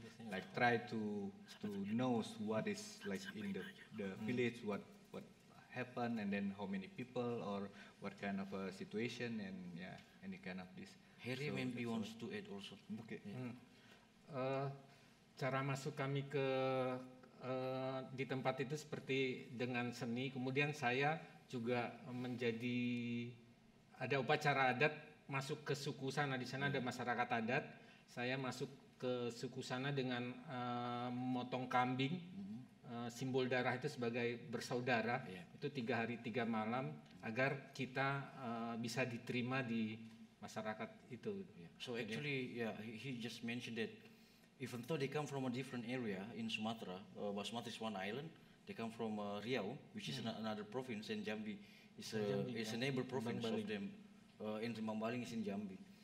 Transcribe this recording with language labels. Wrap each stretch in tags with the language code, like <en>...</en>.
<en>like try to know what is like in the village, what happened, and then how many people or what kind of a situation, and yeah, any kind of this. Harry so maybe wants to add also. Okay.</en> <id>Cara masuk kami ke di tempat itu seperti dengan seni, kemudian saya juga menjadi, ada upacara adat masuk ke suku sana, di sana ada masyarakat adat, saya masuk ke suku sana dengan memotong kambing, simbol darah itu sebagai bersaudara, itu 3 hari 3 malam agar kita bisa diterima di masyarakat itu.</id> <en>So actually he just mentioned that even though they come from a different area in Sumatra, but Sumatra is one island, they come from Riau, which is another province, and Jambi is a neighbor province Mambaling. Of them, and Mambaling is in Jambi.</en>